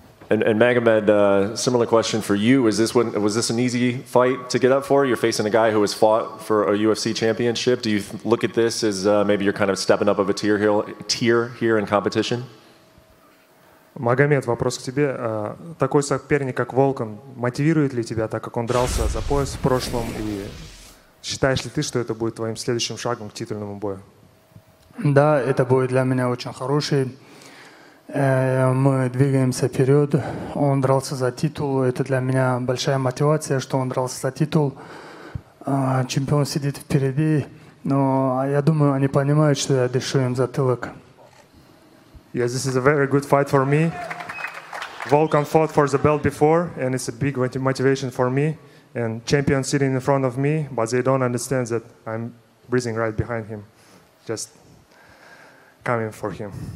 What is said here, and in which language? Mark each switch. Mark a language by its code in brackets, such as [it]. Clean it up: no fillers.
[en] And Magomed, similar question for you. Was this an easy fight to get up for? You're facing a guy who has fought for a UFC championship. Do you look at this as maybe you're kind of stepping up of a tier here in competition? [ru] Магомед, вопрос к тебе. Такой соперник, как Волкан, мотивирует ли тебя, так как он дрался за пояс в прошлом, и считаешь ли ты, что это будет твоим следующим шагом к титульному бою? Да, это будет для меня очень хороший. Мы двигаемся вперед. Он дрался за титул. Это для меня большая мотивация, что он дрался за титул. Чемпион сидит впереди. Но я думаю, они понимают, что я дышу им затылок. [en] Yes, this is a very good fight for me. Volkan fought for the belt before, and it's a big motivation for me. And champion sitting in front of me, but they don't understand that I'm breathing right behind him, just coming for him.